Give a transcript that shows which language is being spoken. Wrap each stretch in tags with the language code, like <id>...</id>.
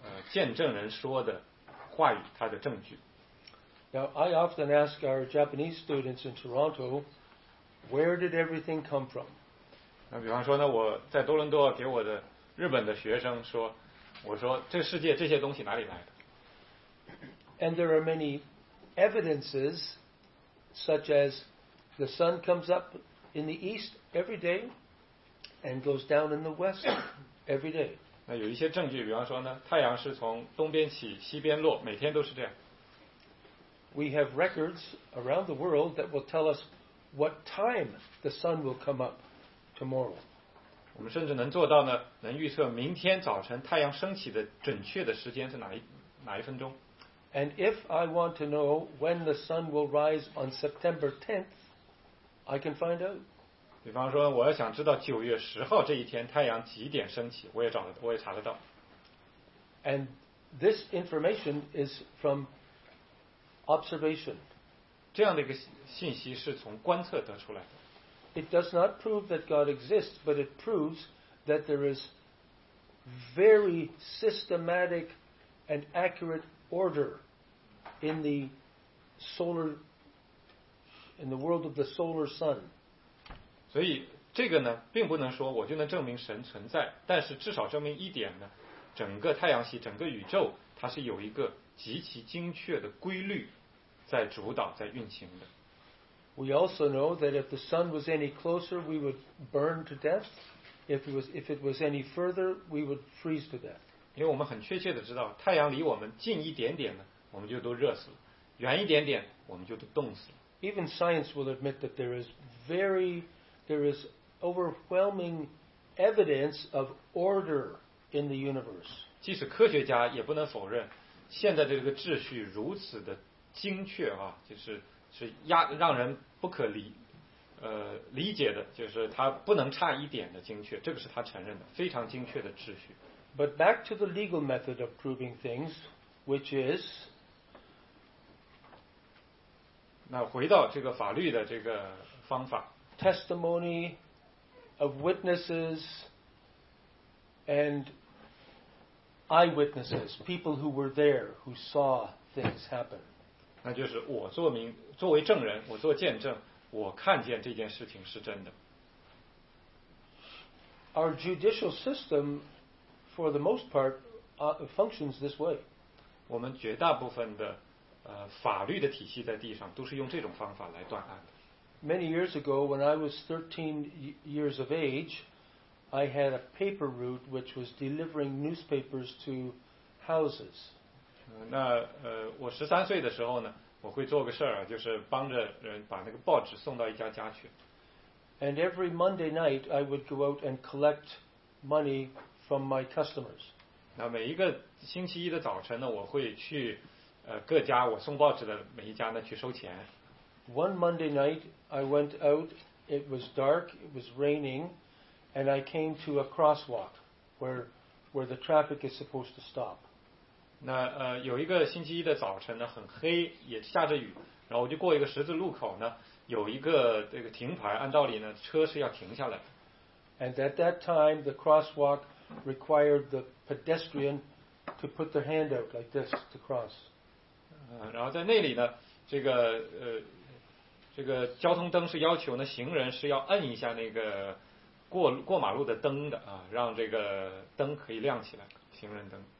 <zh>见证人说的话语，他的证据。</zh> <en>Now, I often ask our Japanese students in Toronto, where did everything come from?</en> <zh>那比方说呢，我在多伦多给我的日本的学生说，我说这世界这些东西哪里来的？</zh> <en>And there are many evidences, such as the sun comes up in the east every day and goes down in the west every day.</en> <zh>那有一些证据，比方说呢，太阳是从东边起，西边落，每天都是这样。</zh> <en>We have records around the world that will tell us what time the sun will come up tomorrow.</en> <zh>我们甚至能做到呢，能预测明天早晨太阳升起的准确的时间是哪一分钟。</zh> <en>And if I want to know when the sun will rise on September 10th, I can find out.</en> <zh>比方说，我要想知道九月十号这一天太阳几点升起，我也查得到。</zh> <en>And this information is from observation.</en> <zh>这样的一个信息是从观测得出来的。</zh> <en>It does not prove that God exists, but it proves that there is very systematic and accurate order in the solar, in the world of the solar sun.</en> <zh>所以这个呢，并不能说我就能证明神存在，但是至少证明一点呢，整个太阳系、整个宇宙，它是有一个极其精确的规律在主导、在运行的。</zh> <en>We also know that if the sun was any closer, we would burn to death. If it was any further, we would freeze to death.</en> <zh>因为我们很确切的知道，太阳离我们近一点点呢，我们就都热死了；远一点点，我们就都冻死了。</zh> <en>Even science will admit that there is very There is overwhelming evidence of order in the universe.</en> <zh>即使科学家也不能否认，现在的这个秩序如此的精确啊，就是让人不可理解的，就是它不能差一点的精确，这个是他承认的，非常精确的秩序。</zh> <en>But back to the legal method of proving things, which is</en> <zh>那回到这个法律的这个方法。</zh> <en>Testimony of witnesses and eyewitnesses, people who were there, who saw things happen.</en> <zh>那就是我作名，作为证人，我做见证，我看见这件事情是真的。</zh> <en>Our judicial system, for the most part, functions this way.</en> <zh>我们绝大部分的法律的体系在地上都是用这种方法来断案的。</zh> <en>Many years ago, when I was 13 years of age, I had a paper route which was delivering newspapers to houses.</en> <zh>那我十三岁的时候呢，我会做个事儿，就是帮着人把那个报纸送到一家家去。</zh> <en>And every Monday night, I would go out and collect money from my customers.</en> <zh>那每一个星期一的早晨呢，我会去各家我送报纸的每一家呢去收钱。</zh> <en>One Monday night, I went out. It was dark. It was raining, and I came to a crosswalk where the traffic is supposed to stop.</en> <zh>那有一个星期一的早晨呢，很黑，也下着雨，然后我就过一个十字路口呢，有一个这个停牌，按道理呢，车是要停下来的。</zh> <en>And at that time, the crosswalk required the pedestrian to put their hand out like this to cross.</en> <zh>然后在那里呢，这个交通灯是要求呢，行人是要摁一下那个过马路的灯的啊，让这个灯可以亮起来，行人灯。</zh>